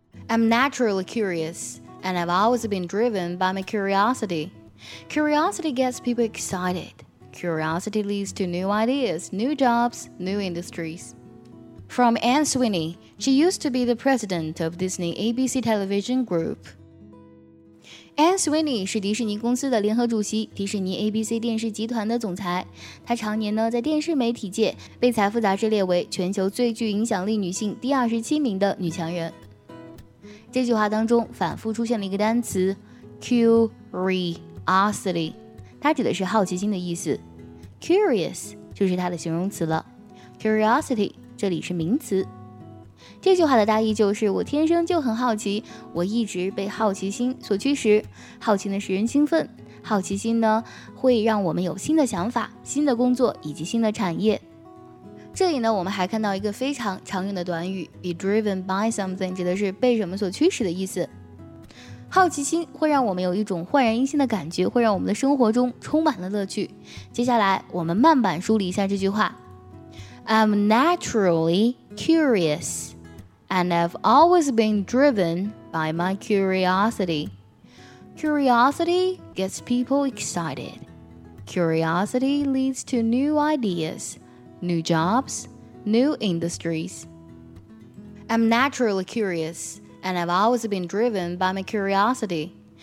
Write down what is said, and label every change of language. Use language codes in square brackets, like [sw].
[en] I'm naturally curious, and I've always been driven by my curiosity. Curiosity gets people excited. Curiosity leads to new ideas, new jobs, new industries. From Anne Sweeney, she used to be the president of Disney ABC Television Group. [zh] Anne Sweeney 是迪士尼公司的联合主席，迪士尼 ABC 电视集团的总裁。她常年呢在电视媒体界被财富杂志列为全球最具影响力女性第27名的女强人。这句话当中反复出现了一个单词 curiosity， 它指的是好奇心的意思。 curious 就是它的形容词了， curiosity 这里是名词。这句话的大意就是，我天生就很好奇，我一直被好奇心所驱使。好奇呢使人兴奋，好奇心呢会让我们有新的想法、新的工作以及新的产业。这里呢我们还看到一个非常常用的短语， [en] be driven by something， [zh] 指的是被什么所驱使的意思。好奇心会让我们有一种焕然一新的感觉，会让我们的生活中充满了乐趣。接下来我们慢慢梳理一下这句话。 [en] I'm naturally curious and I've always been driven by my curiosity. Curiosity gets people excited. Curiosity leads to new ideas. New jobs, new industries. I'm naturally curious, and I've always been driven by my curiosity.